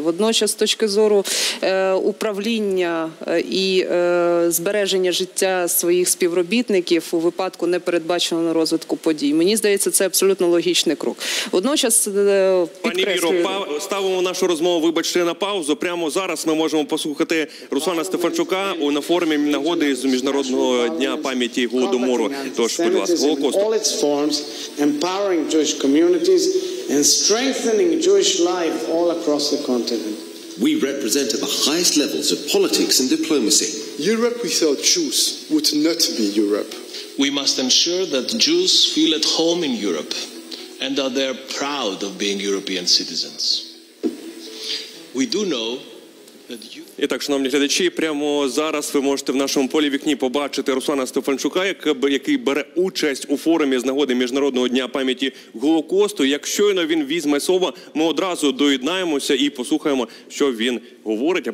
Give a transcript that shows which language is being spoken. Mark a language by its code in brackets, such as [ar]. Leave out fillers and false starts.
[uk] Водночас, з точки зору управління і збереження життя своїх співробітників у випадку непередбаченого розвитку подій. Мені здається, це абсолютно логічний крок. Водночас, пані Віро, ставимо нашу розмову, вибачте, на паузу. Прямо зараз ми можемо послухати Руслана Стефанчука на форумі «Нагод» з Міжнародного дня пам'яті Голодомору. Тож, будь ласка, Голокост. [en] All its forms, empowering Jewish communities and strengthening Jewish life all across the continent. We represent at the highest levels of politics and diplomacy. Europe without Jews would not be Europe. We must ensure that Jews feel at home in Europe and are there proud of being European citizens. We do know that you... [uk] І так, шановні глядачі, прямо зараз ви можете в нашому полі вікні побачити Руслана Стефанчука, який бере участь у форумі з нагоди Міжнародного дня пам'яті Голокосту. Як щойно він візьме слово, ми одразу доєднаємося і послухаємо, що він говорить.